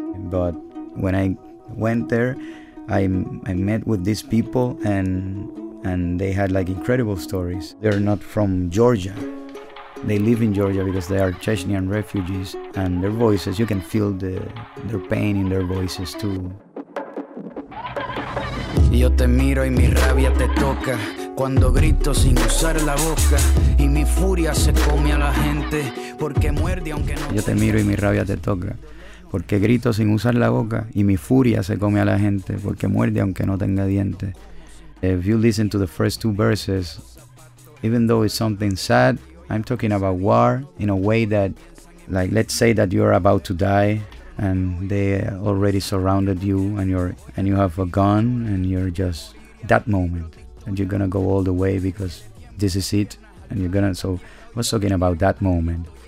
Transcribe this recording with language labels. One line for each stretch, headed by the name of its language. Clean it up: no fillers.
English: But when I went there, I met with these people, and they had like incredible stories. They're not from Georgia. They live in Georgia because they are Chechnyan refugees, and their voices, you can feel their pain in their voices too.
Spanish: Yo te miro y mi rabia te toca cuando grito sin usar la boca y mi furia se come a la gente porque muerde aunque no. Yo te miro y mi rabia te toca porque grito sin usar la boca y mi furia se come a la gente porque muerde aunque no tenga dientes.
English: If you listen to the first two verses, even though it's something sad, I'm talking about war in a way that, like, let's say that you're about to die and they already surrounded you and you have a gun and you're just that moment and you're gonna go all the way because this is it and you're gonna, so I was talking about that moment.